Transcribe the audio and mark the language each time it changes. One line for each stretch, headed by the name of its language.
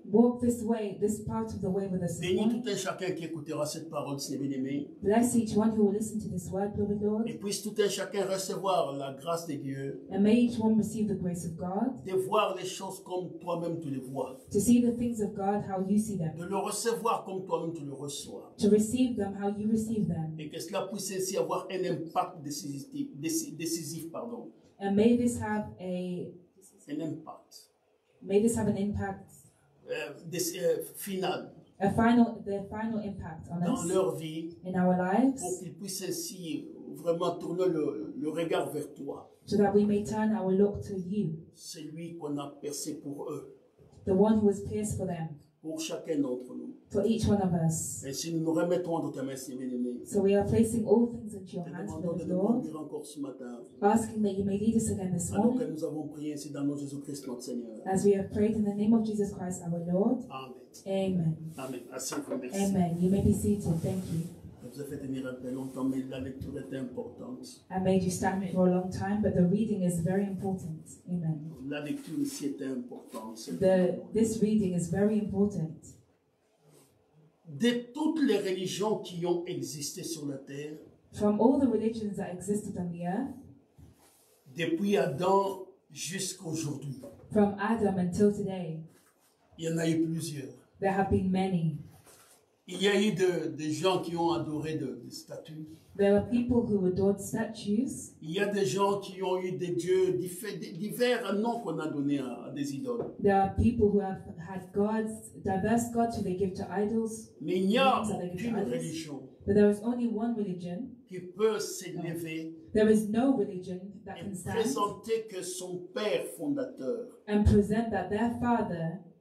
English: Walk this way, this part of the way with us.
French: Bénis tout un chacun qui écoutera cette parole, Seigneur bien-aimé.
English: Bless each one who will listen to this word, beloved Lord.
French: Et puisse tout un chacun recevoir la grâce de Dieu.
English: And may each one receive the grace of God.
French: De voir les choses comme toi-même tu les vois.
English: To see the things of God how you see them.
French: De le recevoir comme toi-même tu le reçois.
English: To receive them how you receive them.
French: Et que cela puisse ainsi avoir un impact décisif, pardon.
English: And may this have an impact. May this have an impact. Final. The final impact on
French: dans
English: us.
French: Dans leur vie.
English: In our lives.
French: Pour qu'ils puissent ainsi vraiment tourner le regard vers toi.
English: So that we may turn our look to you.
French: Celui qu'on a percé pour eux.
English: The one who was pierced for them.
French: Pour chacun d'entre nous.
English: For each one of us.
French: Et si nous nous remettons dans ta main, Seigneur bien-aimé.
English: So we are placing all things into your hands, Lord.
French: Te demandons de nous encore ce matin.
English: Asking that you may lead us again this morning.
French: Alors que nous avons prié ainsi dans le nom de Jésus-Christ, notre Seigneur.
English: As we have prayed in the name of Jesus Christ, our Lord. Amen. Amen.
French: Amen. Assez-vous, merci.
English: Amen. You may be seated. Thank you.
French: Je vous ai fait tenir un peu longtemps, mais la lecture est importante.
English: I made you stand for a long time, but the reading is very important. Amen.
French: La lecture aussi est importante.
English: This reading is very important.
French: De toutes les religions qui ont existé sur la terre,
English: from all the religions that existed on the earth,
French: Depuis Adam jusqu'aujourd'hui.
English: From Adam until today.
French: Il y en a eu plusieurs.
English: There have been many.
French: Il y a eu des gens qui ont adoré des statues.
English: There were people who adored statues.
French: Il y a des gens qui ont eu des dieux divers noms qu'on a donné à des idoles.
English: There are people who have had gods, diverse gods who they give to idols.
French: Mais il n'y a qu'une religion.
English: But there is only one religion.
French: Qui peut s'élever.
English: There is no religion that can stand.
French: Présenter que son père fondateur.
English: And present that their father.